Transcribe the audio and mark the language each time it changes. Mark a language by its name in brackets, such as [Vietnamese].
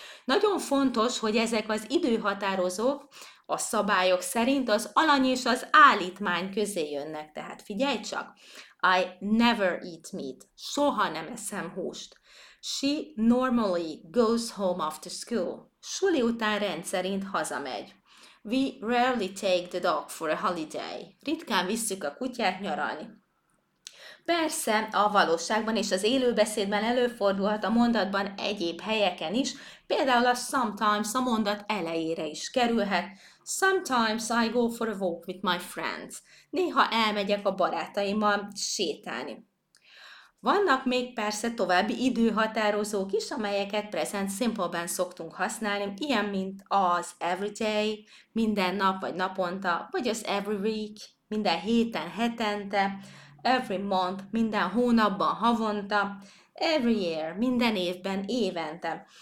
[Hungarian] Nagyon fontos, hogy ezek az időhatározók, a szabályok szerint az alany és az állítmány közé jönnek, tehát figyelj csak. [English] I never eat meat. [Hungarian] Soha nem eszem húst. [English] She normally goes home after school. [Hungarian] Suli után rendszerint hazamegy. [English] We rarely take the dog for a holiday. [Hungarian] Ritkán visszük a kutyát nyaralni. Persze, a valóságban és az élőbeszédben előfordulhat a mondatban egyéb helyeken is, például a sometimes a mondat elejére is kerülhet. [English] Sometimes I go for a walk with my friends. [Hungarian] Néha elmegyek a barátaimmal sétálni. Vannak még persze további időhatározók is, amelyeket present simple-ben szoktunk használni, ilyen mint az everyday, minden nap vagy naponta, vagy az [English] every week, [Hungarian] minden héten, hetente, [English] every month, [Hungarian] minden hónapban, havonta, [English] every year, [Hungarian] minden évben, évente.